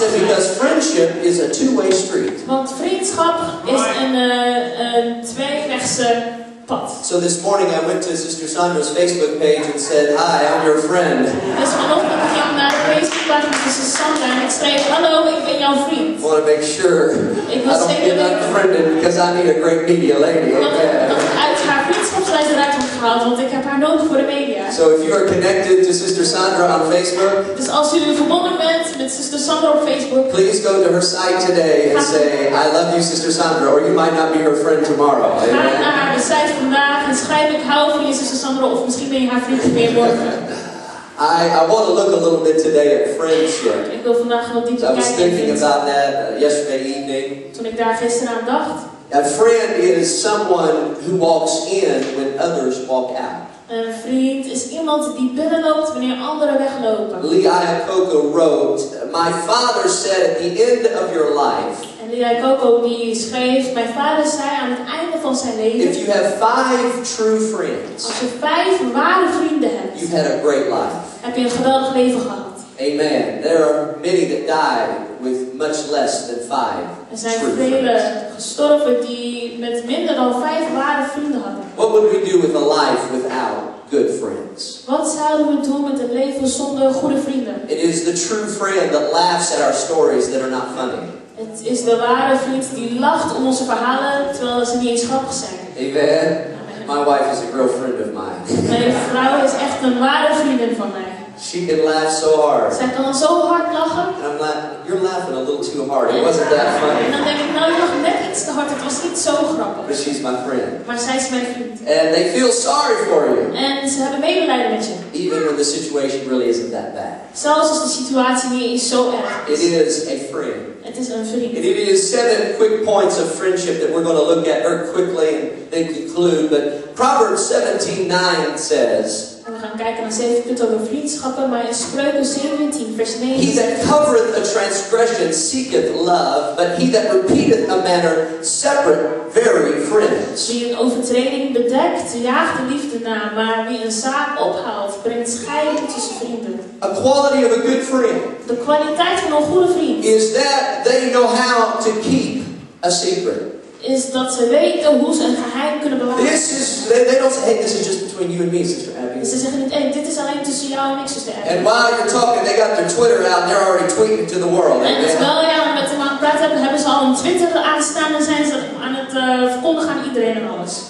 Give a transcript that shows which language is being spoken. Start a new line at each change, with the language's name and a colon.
English: She said, because friendship is a two-way street.
Dutch: Want vriendschap is een tweewegse.
English: So this morning I went to Sister Sandra's Facebook page and said, hi, I'm your friend.
Dutch: Dus vanochtend ging ik naar de Facebook page van Sister Sandra en ik schreef, hallo, ik ben jouw vriend.
English: I want to make sure I don't get unfriended because I need a great media lady. Okay.
Dutch: Uit haar vriendschapslijst heb ik gehaald, want ik heb haar nodig voor de media.
English: So if you are connected to Sister Sandra on Facebook,
Dutch: dus als u verbonden bent met Sister Sandra op Facebook,
English: please go to her site today and say, I love you, Sister Sandra, or you might not be her friend tomorrow.
Dutch: Vandaag en schrijf ik hou van je zuster Sandra of misschien ben je haar vriendje meer morgen.
English: I want to look a little bit today at friendship.
Dutch: Ik wil vandaag wat dieper kijken.
English: I was thinking about that yesterday evening.
Dutch: Toen ik daar gisteren aan dacht.
English: A friend is someone who walks in when others walk out.
Dutch: Een vriend is iemand die binnenloopt wanneer anderen weglopen.
English: Lee Iacocca wrote, my father said at the end of your life.
Dutch: En Lee Iacocca die schreef, mijn vader zei aan het einde van zijn leven.
English: If you have five true friends.
Dutch: Als je vijf ware vrienden hebt.
English: You've had a great life.
Dutch: Heb je een geweldig leven gehad.
English: Amen. There are many that died with much less than five.
Dutch: Er zijn vele gestorven die met minder dan vijf ware vrienden hadden.
English: What would we do with a life without good friends?
Dutch: Wat zouden we doen met een leven zonder goede vrienden?
English: It is the true friend that laughs at our stories that are not funny.
Dutch: Het is de ware vriend die lacht om onze verhalen terwijl ze niet eens grappig zijn.
English: Amen. My wife is a real friend of mine.
Dutch: Mijn vrouw is echt een ware vriendin van mij.
English: She can laugh so hard.
Dutch: Zij kan zo hard lachen.
English: And I'm you're laughing a little too hard. It wasn't that funny.
Dutch: En dan denk ik, nou, je lacht net iets te hard. Het was niet zo grappig.
English: But she's my friend.
Dutch: Maar zij is mijn vriend.
English: And they feel sorry for you.
Dutch: En ze hebben medelijden met je.
English: Even when the situation really isn't that bad.
Dutch: Zelfs als de situatie niet eens zo erg is.
English: It is a friend.
Dutch: Het is een vriend.
English: And it is seven quick points of friendship that we're going to look at very quickly and then conclude. But Proverbs 17:9 says,
Dutch: we gaan kijken naar 7 punten over vriendschappen, maar in Spreuken 17, vers 9.
English: He that covereth a transgression seeketh love, but he that repeateth a matter separate very friends.
Dutch: Wie een overtreding bedekt, jaagt de liefde na, maar wie een zaak ophaalt, brengt scheiding tussen vrienden.
English: A quality of a good friend.
Dutch: De kwaliteit van een goede vriend.
English: Is that they know how to keep a secret.
Dutch: is dat ze weten hoe ze een geheim kunnen bewaren.
English: This is, they don't say, hey, this is just between you and me, Sister Abby.
Dutch: Ze zeggen niet, hey, dit is alleen tussen jou en ik, Sister Abby.
English: And while you're talking, they got their Twitter out and they're already tweeting to the world.
Dutch: En terwijl jij aan het praten hebt, hebben ze al een Twitter aanstaan en zijn ze aan het verkondigen aan iedereen en alles.